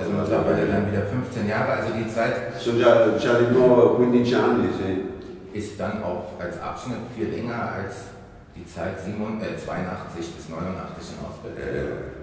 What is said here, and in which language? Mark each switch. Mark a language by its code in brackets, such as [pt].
[de] Also mittlerweile dann wieder 15 Jahre, also die Zeit. [it] Sono già, già di nuovo 15 anni, sì. [de] Ist dann auch als Abschnitt viel länger als die Zeit 82 bis 89 in Ostberlin.